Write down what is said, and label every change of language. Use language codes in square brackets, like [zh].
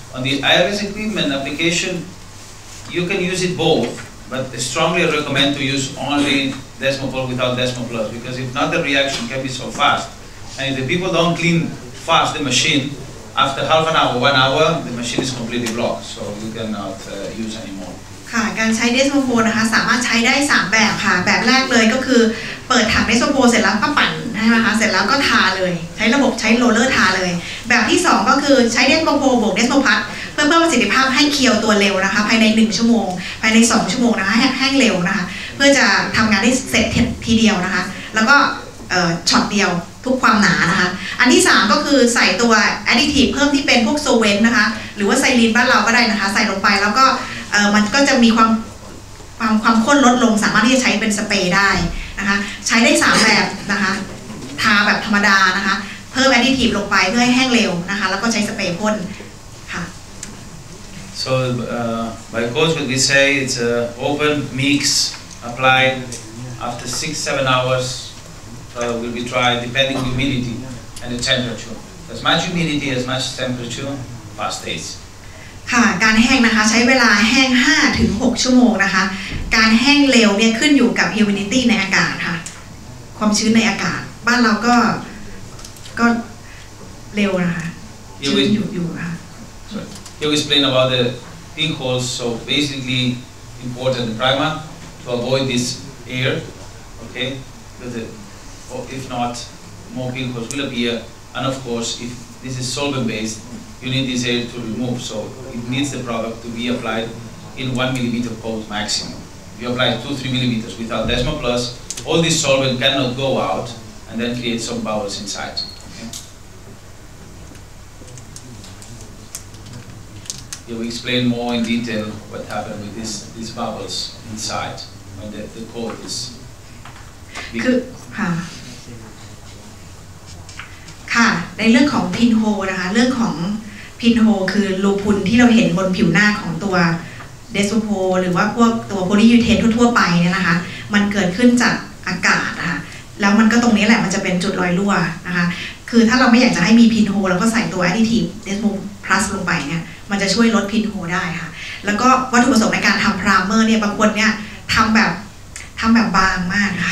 [en] On the IRS equipment application, you can use it both, but I strongly recommend to use only Tecnopol without Tecnopol, because if not, the reaction can be so fast. And if the people don't clean fast the machine, after half an hour, 1 hour, the machine is completely blocked, so you cannot use anymore. [th] ค่ะการใช้เดสโมโพลนะคะสามารถใช้ได้3แบบค่ะแบบแรกเลยก็คือเปิดถังเดสโมโพลเสร็จแล้วก็ปั่นใช่ไหมคะเสร็จแล้วก็ทาเลยใช้ระบบใช้โรลเลอร์ทาเลยแบบที่2ก็คือใช้เดสโมโพลบวกเดสโมพัทเพื่อเพิ่มประสิทธิภาพให้เคียวตัวเร็วนะคะภายใน1ชั่วโมงภายใน2ชั่วโมงนะคะให้แห้งเร็วนะคะเพื่อจะทํางานได้เสร็จทีเดียวนะคะแล้วก็ ช็อตเดียวทุกความหนานะคะอันที่3ก็คือใส่ตัวแอดดิทีฟเพิ่มที่เป็นพวกโซเวนต์นะคะหรือว่าไซลีนบ้านเราก็ได้นะคะใส่ลงไปแล้วก็มันก็จะมีความข้นลดลงสามารถที่จะใช้เป็นสเปรย์ได้นะคะใช้ได้3แบบนะคะทาแบบธรรมดานะคะเพิ่มแอดดิทีฟลงไปเพื่อให้แห้งเร็วนะคะแล้วก็ใช้สเปรย์พ่นค่ะ [en] so by course when we say it's open mix apply after 6-7 hours will be dry depending humidity and the temperature as much humidity as much temperature past days. [th] ค่ะการแห้งนะคะใช้เวลาแห้ง5ถึง6ชั่วโมงนะคะการแห้งเร็วเนี่ยขึ้นอยู่กับ humidity ในอากาศค่ะความชื้นในอากาศบ้านเราก็เร็วนะคะชื้นอยู่ค่ะ [en] Sorry. You explain about the pink holes so basically important primer to avoid this air okay because if not more pink holes will appear and of course if this is solvent basedYou need this air to remove, so it needs the product to be applied in 1 millimeter coat maximum. You apply 2-3 millimeters without Desmo Plus, all this solvent cannot go out and then create some bubbles inside. Okay. Here we explain more in detail what happened with these bubbles inside when the coat is big. Good. [th] ค่ะในเรื่องของ pinhole นะคะเรื่องของพินโฮคือรูพุนที่เราเห็นบนผิวหน้าของตัวเดสโมโพหรือว่าพวกตัวโพลียูเทนทั่วๆไปเนี่ยนะคะมันเกิดขึ้นจากอากาศนะคะแล้วมันก็ตรงนี้แหละมันจะเป็นจุดรอยรั่วนะคะคือถ้าเราไม่อยากจะให้มีพินโฮแล้วก็ใส่ตัวแอดดิทีฟเดสโมพลัสลงไปเนี่ยมันจะช่วยลดพินโฮได้ค่ะแล้วก็วัตถุประสงค์ในการทำพรามเมอร์เนี่ยบางคนเนี่ยทำแบบบางมาก